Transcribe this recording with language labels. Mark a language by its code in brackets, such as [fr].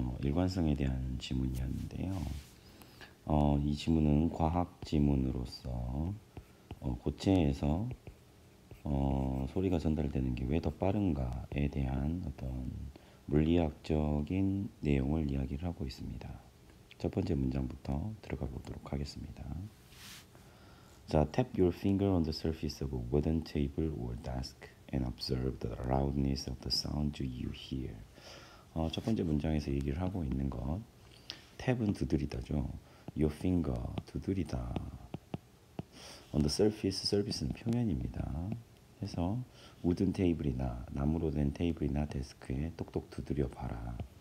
[ko] 일관성에 대한 질문이었는데요. 이 질문은 과학 지문으로서 고체에서 소리가 전달되는 게왜더 빠른가에 대한 어떤 물리학적인 내용을 이야기를 하고 있습니다. 첫 번째 문장부터 들어가 보도록 하겠습니다. [en] 자, tap your finger on the surface of a wooden table or desk. And observe the loudness of the sound you hear. [ko] 첫 번째 문장에서 얘기를 하고 있는 것. 탭은 두드리다죠. [en] Your finger, [ko] 두드리다. [en] On the surface, [ko] surface는 표면입니다. 해서 wooden table이나 나무로 된 테이블이나 데스크에 똑똑 두드려 봐라.